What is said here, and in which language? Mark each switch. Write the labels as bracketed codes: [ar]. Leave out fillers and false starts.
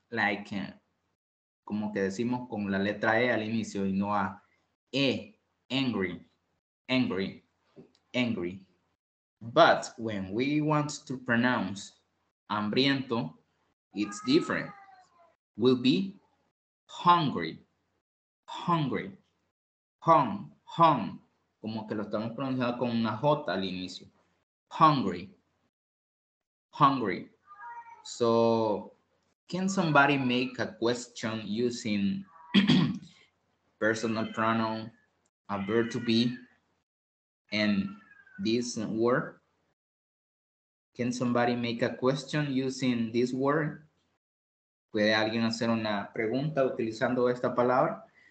[es] Like, como que decimos con la letra E al inicio y no A. [en] E, angry, angry, angry. But when we want to pronounce hambriento, it's different. We'll be hungry, hungry, hung, hung. [es] Como que lo estamos pronunciando con una J al inicio. [en] Hungry, hungry. So, can somebody make a question using personal pronoun, a verb to be, and this word? Can somebody make a question using this word? [es] ¿Puede alguien hacer una pregunta utilizando esta palabra?